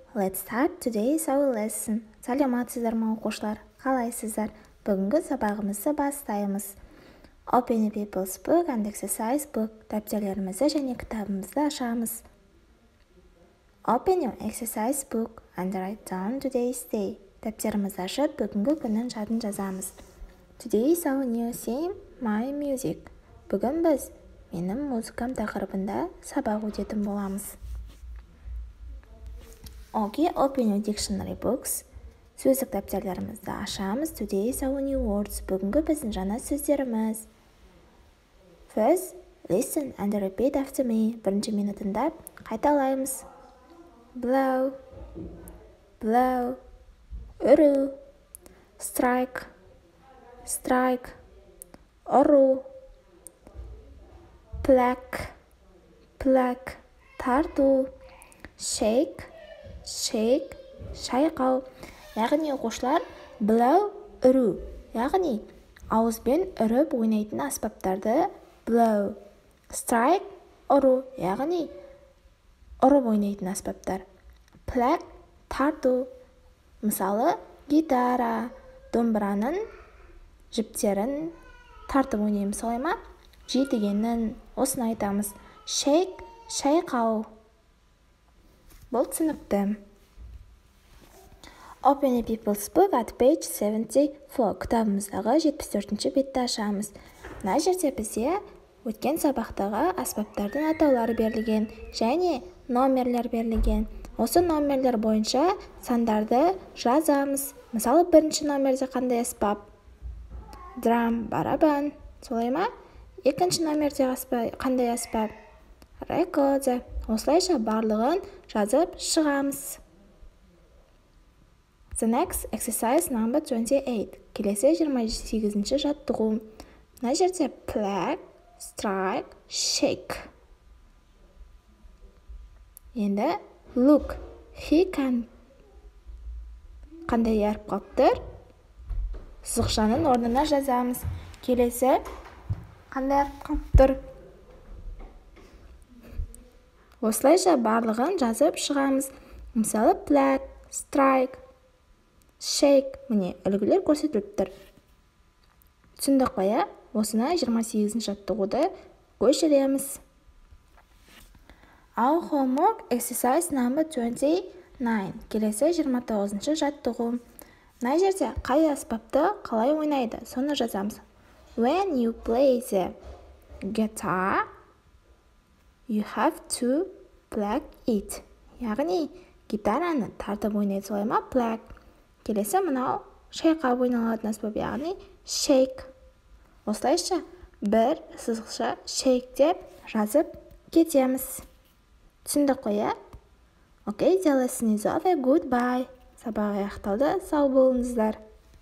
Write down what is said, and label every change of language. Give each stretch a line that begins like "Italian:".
English: Let's start today's our lesson.
Kazakh: Саламатсыздар ма, оқушылар? Қалайсыздар? Бүгінгі сабағымызды бастаймыз.
English: Open the people's book and exercise book.
Kazakh: Дәптерлерімізді және кітабымызды ашамыз.
English: Open your exercise book and write down today's day.
Kazakh: Дәптерімізді ашып, бүгінгі күнін жадын жазамыз.
English: Today's our new theme, my music.
Kazakh: Бүгін біз... Менің музыкам тақырыбында сабақ өтетін боламыз.
English: Okay, open your dictionary books.
Kazakh: Сөздік дәптерлерімізді ашамыз.
English: Today's our new words.
Kazakh: Бүгінгі біздің жаңа сөздеріміз.
English: First, listen and repeat after me.
Kazakh: Бірінші мені тыңдап, қайталаймыз.
English: Blow. Blow. Үру. Strike. Strike. Ұру. Pluck, pluck, тарту, shake, shake, шайқау.
Kazakh: Яғни, оқушылар, blow, үру. Яғни, ауызбен үріп ойнайтын аспаптарды blow.
English: Strike, үру.
Kazakh: Яғни, үріп ойнайтын аспаптар. Pluck, тарту. Мысалы, гитара, домбыраның жіптерін тартып ойнаймыз, солай ма? Жетігеннің. Осын айтамыз.
English: Shake, шайқау.
Kazakh: Бұл түсінікті.
English: Open a people's book at page 74.
Kazakh: Кітабымыздағы 74-ші бетті ашамыз. Мына жерде бізде өткен сабақтағы аспаптардың атаулары берілген, және номерлер берілген. Осы номерлер бойынша сандарды жазамыз. Мысалы, бірінші номерде қандай аспап? Drum, барабан. Солай ма? Екінші номерде қандай аспап? Рекорд. Осылайша барлығын жазып шығамыз.
English: The next exercise number 28.
Kazakh: Келесі 28-ші жаттығу.
English: Мына жерде pluck, strike, shake.
Kazakh: Енді look.
English: He can.
Kazakh: Қандай әріп қалыптыр? Сызықшаның орнына жазамыз. Келесі. Қандай әріп қалыптыр? Осылайша барлығын жазып шығамыз.
English: Мысалы, pluck, strike, shake.
Kazakh: Міне, үлгілер көрсетіліп тұр. Түсіндік қой, осына 28-ші жаттығуды көшіреміз.
English: Our homework exercise number 29.
Kazakh: Келесі 29-ші жаттығу. Мына жерде қай аспапты қалай ойнайды, соны жазамыз.
English: When you play the guitar, you have to pluck it.
Kazakh: Яғни, гитараны тартып ойнайды, солай ма? Pluck. Келесі мынау шайқап ойналатын аспап, яғни shake. Осылайша бір сызықша shake деп жазып кетеміз. Түсіндік қой, иә?
English: Okay, the lesson is over. Goodbye.
Kazakh: Сабақ аяқталды. Сау болыңыздар.